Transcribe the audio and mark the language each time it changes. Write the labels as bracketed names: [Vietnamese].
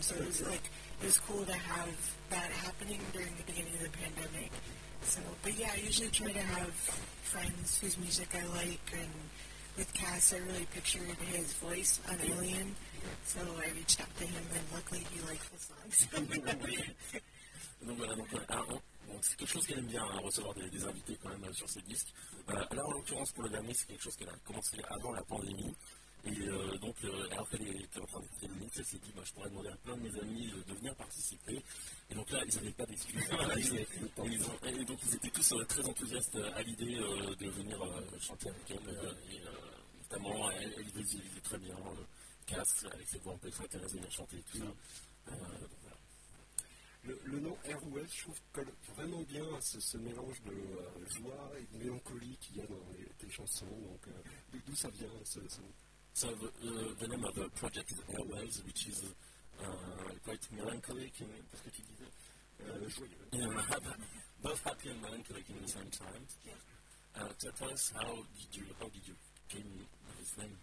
[English] So it was, like, it was cool to have that happening during the beginning of the pandemic. So, but yeah, I usually try to have friends whose music I like, and with Cass, I really pictured his voice on Alien, so I reached out to him, and luckily he liked the song. [French] Bon, c'est quelque chose qu'elle aime bien, hein, recevoir des invités quand même sur ses disques. Là, en l'occurrence, pour le dernier, c'est quelque chose qu'elle a commencé avant la pandémie. Et donc, alors qu'elle était en train d'écouter le mix, elle s'est dit bah, je pourrais demander à plein de mes amis de venir participer. Et donc là, ils n'avaient pas d'excuses. ils étaient tous très enthousiastes à l'idée de venir chanter avec elle. Notamment, elle faisait très bien Cass avec ses voix un peu extraterrestres de venir chanter et tout ça. Le nom Airwell, je trouve, colle vraiment bien à ce mélange de joie et de mélancolie qu'il y a dans tes chansons. Donc, d'où ça vient ce nom? [English] So the name of the project is Airwells, which is quite melancholic, in, [French] parce que tu dis joyeux. [English] Yeah, both happy and melancholic in the same time. Yeah. Tell us, how did you came with this name?